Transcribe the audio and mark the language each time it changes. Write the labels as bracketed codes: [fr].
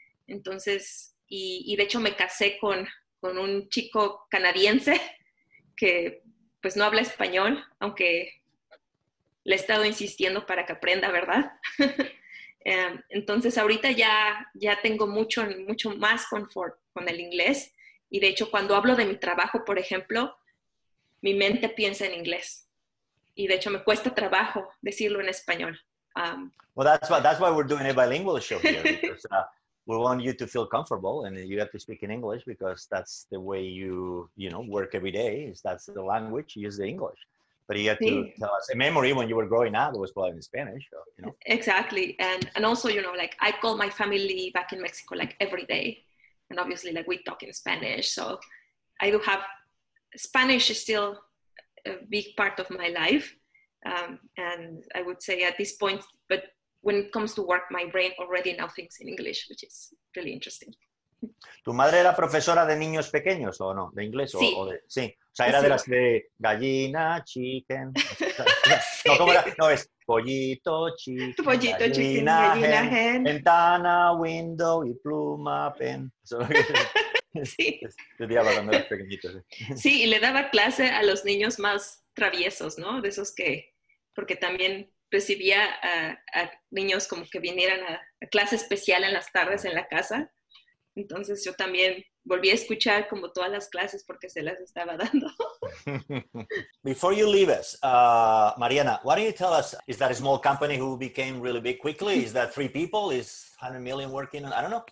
[es] Entonces, y de hecho me casé con un chico canadiense que pues no habla español, aunque le he estado insistiendo para que aprenda, ¿verdad? Entonces ahorita ya tengo mucho, mucho más confort con el inglés. Y de hecho cuando hablo de mi trabajo, por ejemplo, mi mente piensa en inglés. Y de hecho me cuesta trabajo decirlo en español. [en] Well, that's why we're doing a bilingual show here. Because we want you to feel comfortable and you have to speak in English because that's the way you work every day. That's the language, you use the English. But you had to tell us a memory when you were growing up, it was probably in Spanish. So, Exactly. And also, I call my family back in Mexico like every day. And obviously, we talk in Spanish. So I do have Spanish is still a big part of my life. And I would say at this point, but when it comes to work, my brain already now thinks in English, which is really interesting. [es] ¿Tu madre era profesora de niños pequeños o no? ¿De inglés? Sí. O sea, era de las de gallina, chicken. Sí. No, ¿cómo era? No, es pollito, chicken. Pollito, gallina, chicken, gallina, hen. Ventana, window y pluma, pen. Eso es lo que estudiaba cuando eras pequeñito. Sí, y le daba clase a los niños más traviesos, ¿no? De esos que. Porque también recibía a niños como que vinieran a clase especial en las tardes en la casa. Entonces yo también volví a escuchar como todas las clases porque se las estaba dando. [en] Before you leave us, Mariana, why don't you tell us, is that a small company who became really big quickly? Is that 3 people? Is 100 million working? I don't know.